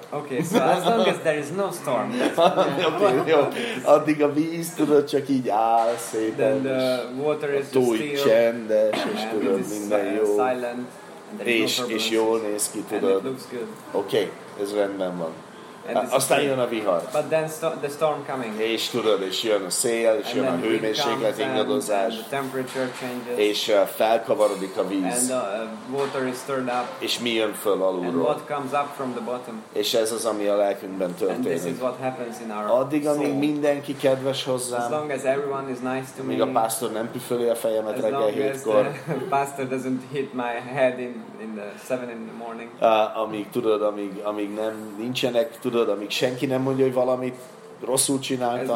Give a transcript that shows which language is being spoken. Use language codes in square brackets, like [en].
[en] Okay, so as long as there is no storm. [hu] Okay, jó. Addig a víz, tudod, csak így áll szépen. [en] Then the water is still. [hu] Tudj, csendes, és tudod, minden jó. [en] Silent. [hu] És jól néz ki, tudod. Oké, ez rendben van. Aztán jön a vihar. [en] But then the storm coming. [hu] És tudod, és jön a szél, és jön a hőmérséklet, ingadozás. [en] The temperature changes. [hu] És felkavarodik a víz. [en] And water is stirred up. [hu] És mi jön föl alulról. [en] And what comes up from the bottom. [hu] És ez az, ami a lelkünkben történik. [en] And this is what happens in our [hu] addig, amíg mindenki kedves hozzám. [en] As long as everyone is nice to me. [hu] Míg a pásztor nem püföli a fejemet reggel 7-kor. [en] As long as the pastor doesn't hit my head in the 7 in the morning. [hu] Amíg tudod, amíg nem nincsenek, tudod, amíg senki nem mondja, hogy valamit rosszul csináltam.